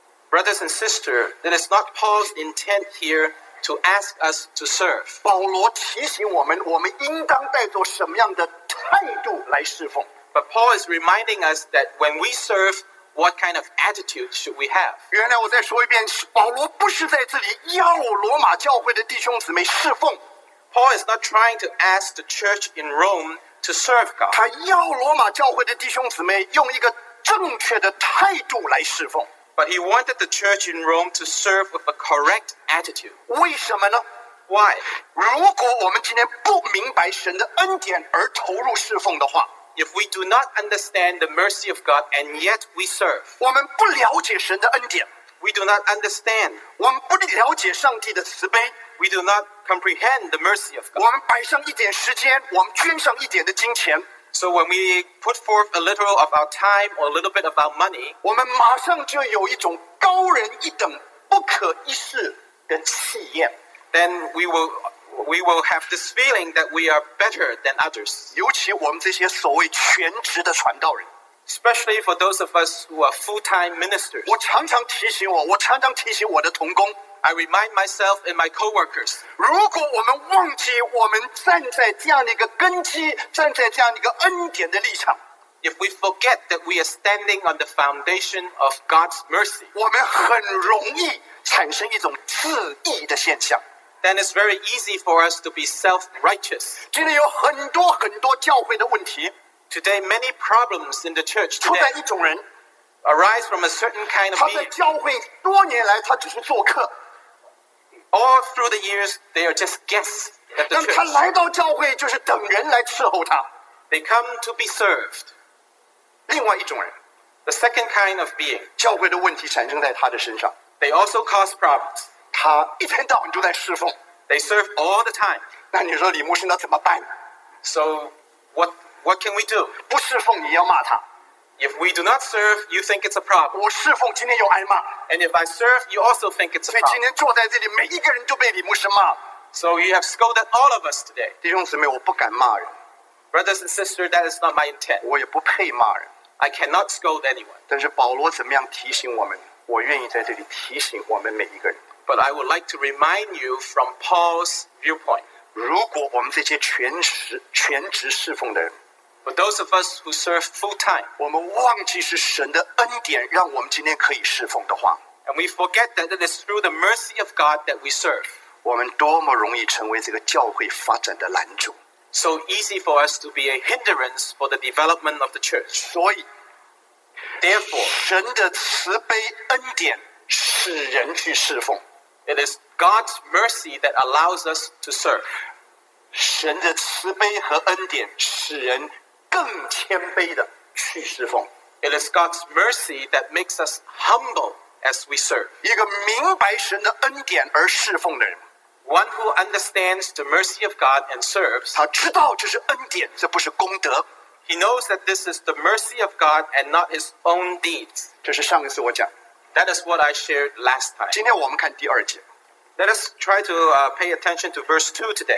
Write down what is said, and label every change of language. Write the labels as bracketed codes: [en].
[en] Brothers and sisters, it is not Paul's intent here to ask us to serve. [zh] 保罗提醒我们，我们应当带着什么样的态度来侍奉。 [en] But Paul is reminding us that when we serve, what kind of attitude should we have? [zh] 原来我再说一遍，保罗不是在这里要罗马教会的弟兄姊妹侍奉。 [en] Paul is not trying to ask the church in Rome. To serve God. [zh] 他要罗马教会的弟兄姊妹用一个正确的态度来侍奉。 [en] But he wanted the church in Rome to serve with a correct attitude. [zh] 为什么呢？ [en] Why? [zh] 如果我们今天不明白神的恩典而投入侍奉的话， [en] If we do not understand the mercy of God and yet we serve, [zh] 我们不了解神的恩典， [en] We do not understand, [zh] 我们不了解上帝的慈悲， [en] We do not comprehend the mercy of God. [zh] 我们摆上一点时间，我们捐上一点的金钱。 [en] So when we put forth a little of our time or a little bit of our money, [zh] 我们马上就有一种高人一等、不可一世的气焰。 [en] Then we will have this feeling that we are better than others. [zh] 尤其我们这些所谓全职的传道人。 [en] Especially for those of us who are full-time ministers. [zh] 我常常提醒我的同工。 [en] I remind myself and my coworkers. [zh] 如果我们忘记我们站在这样一个根基，站在这样一个恩典的立场， [en] If we forget that we are standing on the foundation of God's mercy, [zh] 我们很容易产生一种自义的现象。 [en] Then it's very easy for us to be self-righteous. [zh] 今天有很多很多教会的问题。 [en] Today, many problems in the church today. [zh] 出在一种人。 [en] Arise from a certain kind of being. [zh] 他在教会多年来，他只是做客。 [en] All through the years, they are just guests at the church. [zh] 他来到教会就是等人来伺候他。 [en] They come to be served. [zh] 另外一种人。 [en] The second kind of being. [zh] 教会的问题产生在他的身上。 [en] They also cause problems. [zh] 他一天到晚都在侍奉。 [en] They serve all the time. [zh] 那你说李牧师那怎么办？ [en] So, what can we do? [zh] 不侍奉你要骂他。 [en] If we do not serve, you think it's a problem. [zh] 我侍奉今天又挨骂。 [en] And if I serve, you also think it's a problem. [zh] 所以今天坐在这里，每一个人都被李牧师骂。 [en] So you have scolded all of us today. [zh] 弟兄姊妹，我不敢骂人。 [en] Brothers and sisters, that is not my intent. [zh] 我也不配骂人。 [en] I cannot scold anyone. [zh] 但是保罗怎么样提醒我们？我愿意在这里提醒我们每一个人。 [en] But I would like to remind you from Paul's viewpoint. [zh] 如果我们这些全职侍奉的人 [en] ，But those of us who serve full time， [zh] 我们忘记是神的恩典让我们今天可以侍奉的话 [en] ，And we forget that it is through the mercy of God that we serve， [zh] 我们多么容易成为这个教会发展的拦阻。 [en] So easy for us to be a hindrance for the development of the church. [zh] 所以 [en] therefore, [zh] 神的慈悲恩典使人去侍奉。 [en] It is God's mercy that allows us to serve. [zh] 神的慈悲和恩典使人更谦卑的去侍奉。 [en] It is God's mercy that makes us humble as we serve. [zh] 一个明白神的恩典而侍奉的人。 [en] One who understands the mercy of God and serves, [zh] 他知道这是恩典，这不是功德。 [en] He knows that this is the mercy of God and not his own deeds. [zh] 这是上一次我讲。 [en] That is what I shared last time. [zh] 今天我们看第二节。 [en] Let us try to pay attention to verse 2 today.